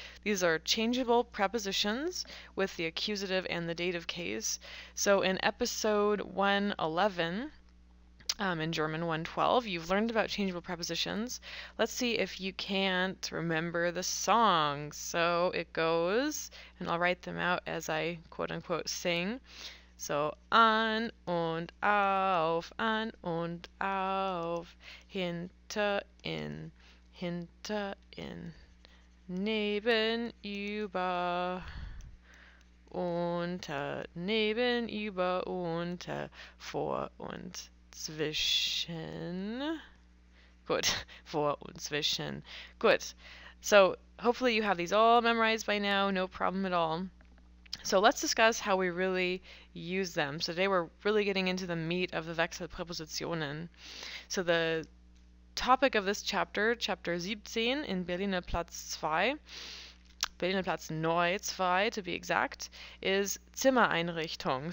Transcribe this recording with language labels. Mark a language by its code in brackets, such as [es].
[en] These are changeable prepositions with the accusative and the dative case. So in episode 111, in German 112, you've learned about changeable prepositions. Let's see if you can't remember the song. So it goes, and I'll write them out as I quote-unquote sing. [de] So, an und auf, an und auf, hinter in, hinter in, neben über, unter, neben über, unter, vor und zwischen. Gut, vor und zwischen. Gut. [en] So, hopefully you have these all memorized by now, no problem at all. So let's discuss how we really use them. So today we're really getting into the meat of the Wechselpräpositionen. So the topic of this chapter, chapter 17 in Berliner Platz 2, Berliner Platz Neu 2 to be exact, is Zimmereinrichtung.